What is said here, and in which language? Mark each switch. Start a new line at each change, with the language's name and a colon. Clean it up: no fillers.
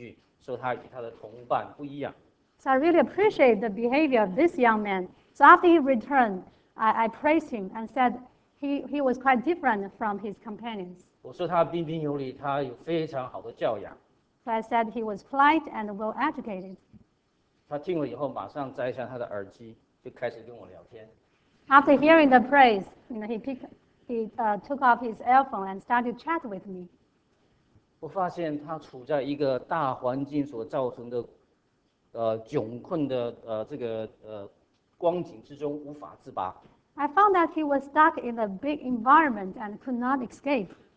Chinese: 立刻称赞他几句，说他与他的同伴不一样。
English: So I really appreciate the behavior of this young man. So after he returned, I praised him and said he was quite different from his companions.
Chinese: 我说他彬彬有礼，他有非常好的教养。
English: So I said he was polite and well educated.
Chinese: 他听了以后，马上摘下他的耳机，就开始跟我聊天。
English: After hearing the praise, you know, he took off his earphone and started chat with me.
Chinese: 我发现他处在一个大环境所造成的，窘困的这个光景之中无法自拔。
English: I found that he was stuck in a big environment and could not escape.